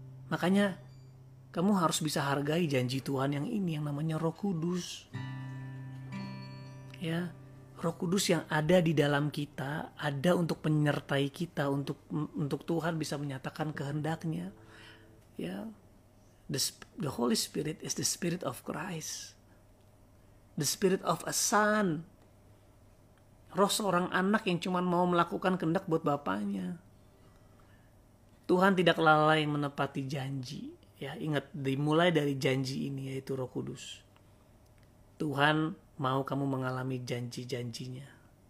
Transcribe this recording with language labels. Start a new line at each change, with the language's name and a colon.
Indonesian: Makanya kamu harus bisa hargai janji Tuhan yang ini, yang namanya Roh Kudus. Ya, Roh Kudus yang ada di dalam kita, ada untuk menyertai kita, untuk Tuhan bisa menyatakan kehendaknya.
English: Ya, the Holy Spirit is the Spirit of Christ. The Spirit of a Son.
Indonesian: Roh seorang anak yang cuma mau melakukan kehendak buat Bapaknya. Tuhan tidak lalai menepati janji. Ya, ingat, dimulai dari janji ini yaitu Roh Kudus. Tuhan mau kamu mengalami janji-janjinya.